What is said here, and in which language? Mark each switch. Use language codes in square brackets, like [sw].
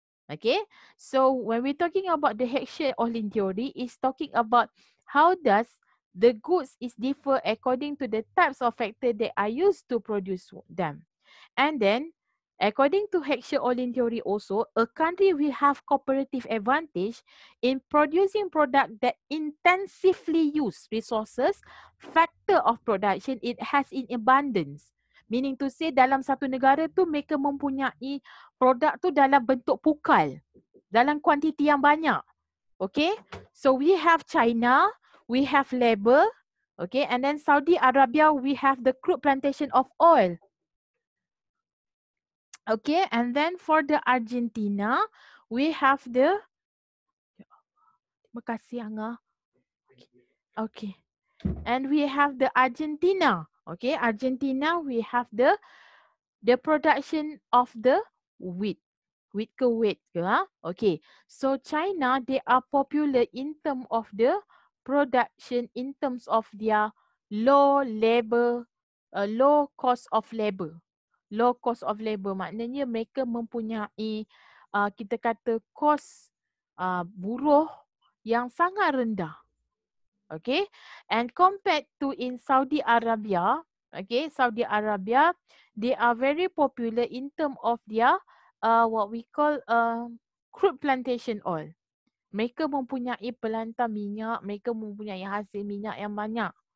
[en] Okay, so when we're talking about the Hection-Ohlin theory, it's talking about how does the goods is differ according to the types of factors that are used to produce them. And then, according to Hection-Ohlin theory also, a country will have comparative advantage in producing product that intensively use resources, factor of production it has in abundance. [ms] Meaning to say, dalam satu negara tu, mereka mempunyai produk tu dalam bentuk pukal. Dalam kuantiti yang banyak. [en] Okay? So, we have China. We have labor, okay, and then Saudi Arabia, we have the crude plantation of oil. Okay, and then for the Argentina, we have the... [ms] Terima kasih, Anga. [en] Okay, and we have the Argentina, okay, Argentina, we have the production of the wheat. Wheat ke wheat, yeah? Okay, so China, they are popular in terms of the production in terms of their low labor, low cost of labor. Low cost of labor [ms] maknanya mereka mempunyai kita kata kos buruh yang sangat rendah. [en] Okay, and compared to in Saudi Arabia, okay, Saudi Arabia, they are very popular in terms of their what we call crude plantation oil. [ms] Mereka mempunyai pelantar minyak, mereka mempunyai hasil minyak yang banyak.